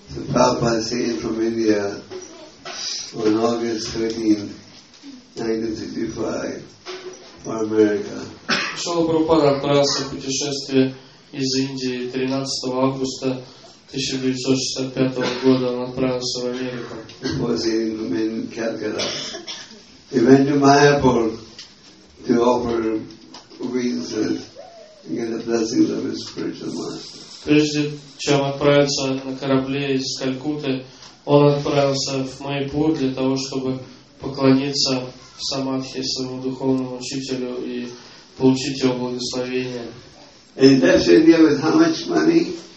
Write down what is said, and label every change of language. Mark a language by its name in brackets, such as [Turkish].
[Russian] Прабхупада сказал из Индии 13 августа 1965 в Америку. Шрилы Прабхупада отправился в путешествие из Индии 13 августа 1965 года. Он отправился в Америку. [English] To offer obeisances and get the blessings of his spiritual master. [Russian] прежде чем отправиться на корабле из Калькутты, он отправился в Майпур для того, чтобы поклониться Самадхи, своему духовному учителю, и получить его благословение. [English] And that's India with how much money?